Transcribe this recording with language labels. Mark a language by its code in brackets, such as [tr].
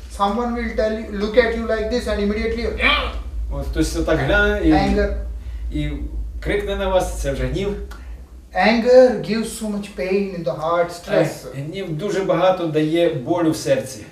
[en] Someone will tell you, look at you like this and immediately... [uk] От хтось це так гляне і крикне на вас, це вже гнів. [en] Anger gives so much pain in the heart, stress. [uk] Гнів дуже багато дає болю в серці.